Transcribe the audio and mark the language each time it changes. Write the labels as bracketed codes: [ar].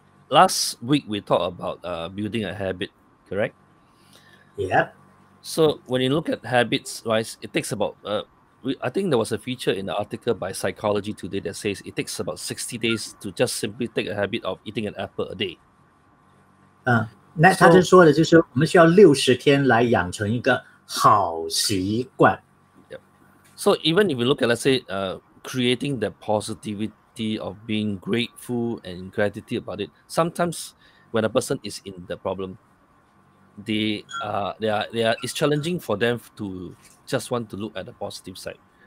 [en] Last week, we talked about building a habit, correct? Yep. So when you look at habits, right, it takes about, I think there was a feature in the article by Psychology Today that says it takes about 60 days to just simply take a habit of eating an apple a day. [zh] 那他就说的就是我们需要60天来养成一个好习惯。 [en] So even if you look at, let's say, creating the positivity of being grateful and gratitude about it, sometimes when a person is in the problem, it's challenging for them to just want to look at the positive side.